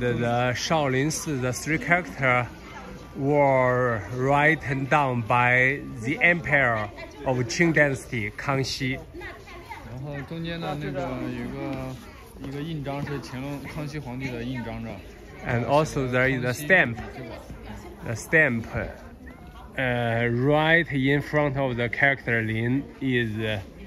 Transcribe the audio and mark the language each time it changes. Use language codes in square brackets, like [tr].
[en] the Shaolin Si, the three characters were written down by the emperor of Qing Dynasty, Kangxi. [zh] 然后中间的那个有个一个印章是乾隆康熙皇帝的印章着。 [en] And also there is a stamp, the stamp, right in front of the character Lin is.